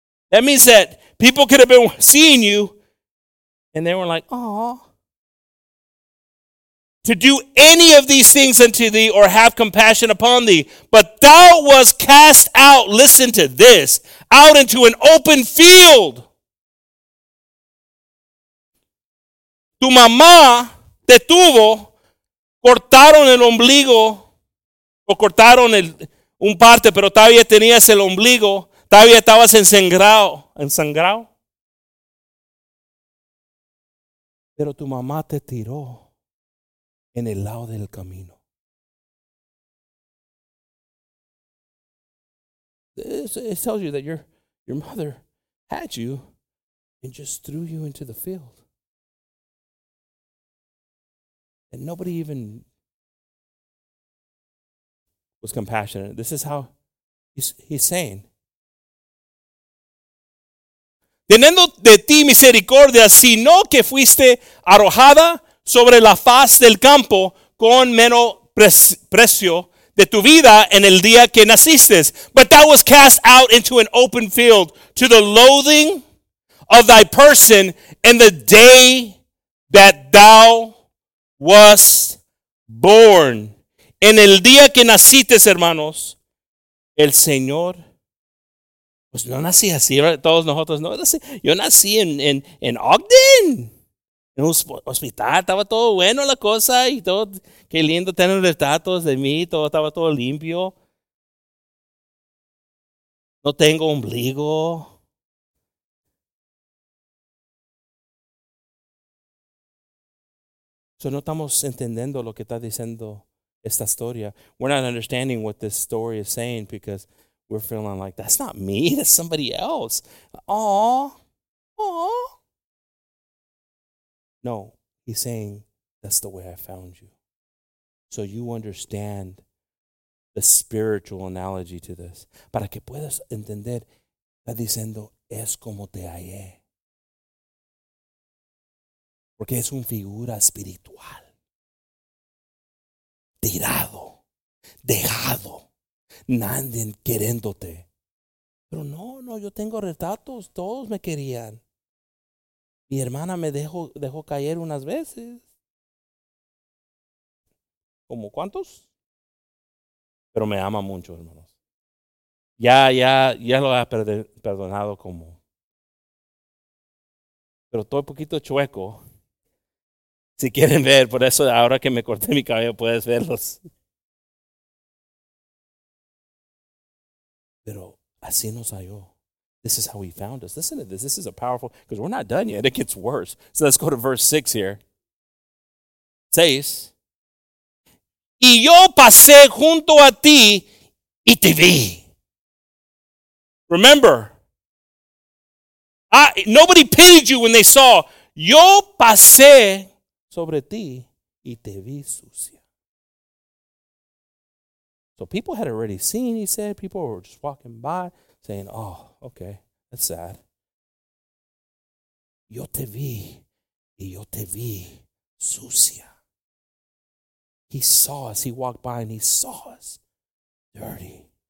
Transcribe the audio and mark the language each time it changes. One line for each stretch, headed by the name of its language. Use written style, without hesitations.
English: That means that people could have been seeing you and they were like, aw. To do any of these things unto thee or have compassion upon thee. But thou was cast out, listen to this, out into an open field.
Spanish: Tu mamá te tuvo, cortaron el ombligo, o cortaron un parte, pero todavía tenías el ombligo, Todavía estabas ensangrado. Pero tu mamá te tiró en el lado del camino.
English: It tells you that your mother had you and just threw you into the field. And nobody even was compassionate. This is how he's saying.
Spanish: Teniendo de ti misericordia, sino que fuiste arrojada sobre la faz del campo con menos precio de tu vida en el día que naciste.
English: But thou was cast out into an open field to the loathing of thy person in the day that thou was born.
Spanish: En el día que naciste, hermanos, el Señor. Pues no nací así, ¿verdad? Todos nosotros no. Yo nací en Ogden. En un hospital. Estaba todo bueno la cosa. Y todo, qué lindo tener retratos de mí. Todo estaba todo limpio. No tengo ombligo. So no estamos entendiendo lo que está diciendo esta historia.
English: We're not understanding what this story is saying because we're feeling like, that's not me, that's somebody else. Aww. No, he's saying, that's the way I found you. So you understand the spiritual analogy to this.
Spanish: Para que puedas entender, está diciendo, es como te hallé. Porque es una figura espiritual. Tirado. Dejado. Nadie queriéndote. Pero no, yo tengo retratos. Todos me querían. Mi hermana me dejó caer unas veces. ¿Cómo cuántos? Pero me ama mucho, hermanos. Ya lo ha perdonado como. Pero estoy un poquito chueco. Si quieren ver, por eso ahora que me corté mi cabello puedes verlos. Pero así nos halló.
English: This is how he found us. Listen to this. This is a powerful, because we're not done yet. It gets worse. So let's go to verse 6 here. 6.
Spanish: Y yo pasé junto a ti y te vi.
English: Remember, nobody pitied you when they saw.
Spanish: Yo pasé sobre ti y te vi sucia.
English: So people had already seen, he said. People were just walking by saying, oh, okay, that's sad.
Spanish: Yo te vi y yo te vi sucia.
English: He saw us. He walked by and he saw us dirty.